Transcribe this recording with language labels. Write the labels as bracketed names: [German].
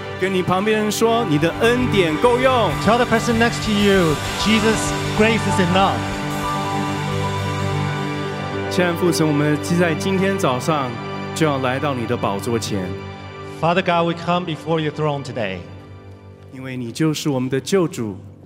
[Chinese] 你旁边人说你的恩典够用。 [English] Tell the person next to you, Jesus' grace is enough. [Chinese] 亲爱的父神，我们在今天早上就要来到你的宝座前。 [English] Father God, we come before your throne today. [Chinese] 因为你就是我们的救主。